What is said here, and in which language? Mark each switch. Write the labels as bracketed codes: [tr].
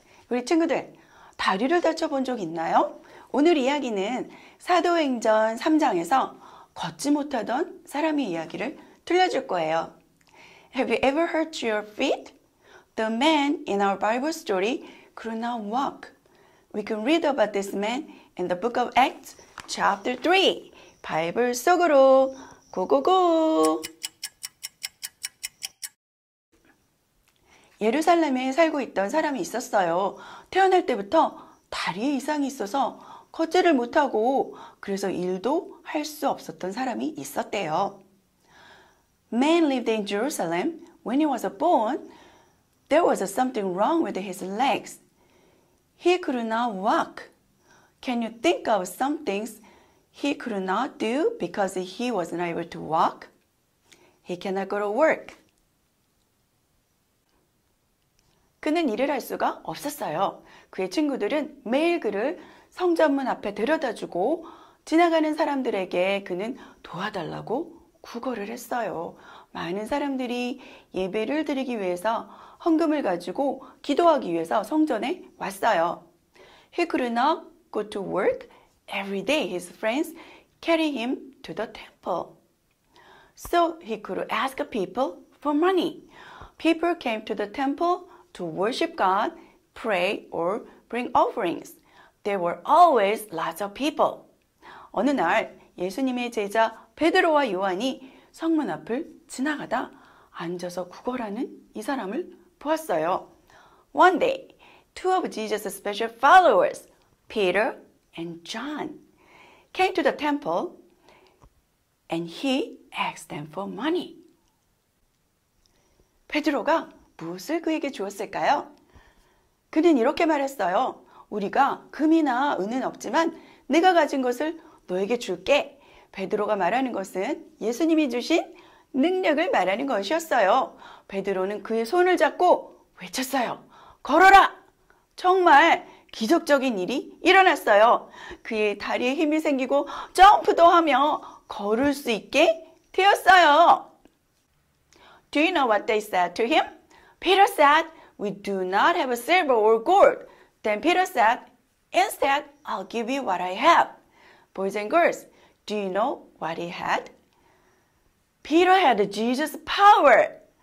[en] Our [ko] 친구들, 다리를 다쳐본 적 있나요? 오늘 이야기는 사도행전 3장에서 걷지 못하던 사람의 이야기를 들려줄 거예요. [en] Have you ever hurt your feet? The man in our Bible story could not walk. We can read about this man in the book of Acts, chapter 3. [ko] 바이블 속으로 고고고! 예루살렘에 살고 있던 사람이 있었어요. 태어날 때부터 다리에 이상이 있어서 걷지를 못하고 그래서 일도 할수 없었던 사람이 있었대요. [en] Man lived in Jerusalem when he was born. There was something wrong with his legs. He could not walk. Can you think of some things he could not do because he was not able to walk? He cannot go to work. [ko] 그는 일을 할 수가 없었어요. 그의 친구들은 매일 그를 성전문 앞에 데려다 주고 지나가는 사람들에게 그는 도와달라고 구걸을 했어요. 많은 사람들이 예배를 드리기 위해서 헌금을 가지고 기도하기 위해서 성전에 왔어요. [en] He could not go to work every day. His friends carry him to the temple. So he could ask people for money. People came to the temple to worship God, pray, or bring offerings. There were always lots of people. [ko] 어느 날 예수님의 제자 베드로와 요한이 성문 앞을 지나가다 앉아서 구걸하는 이 사람을 보았어요. [en] One day, two of Jesus' special followers, Peter and John, came to the temple and he asked them for money. [ko] 베드로가 무엇을 그에게 주었을까요? 그는 이렇게 말했어요. 우리가 금이나 은은 없지만 내가 가진 것을 너에게 줄게. 베드로가 말하는 것은 예수님이 주신 능력을 말하는 것이었어요. 베드로는 그의 손을 잡고 외쳤어요. 걸어라! 정말 기적적인 일이 일어났어요. 그의 다리에 힘이 생기고 점프도 하며 걸을 수 있게 되었어요. [en] Do you know what they said to him? Peter said, "We do not have a silver or gold." Then Peter said, "Instead, I'll give you what I have." Boys and girls, do you know what he had? Peter had Jesus' power.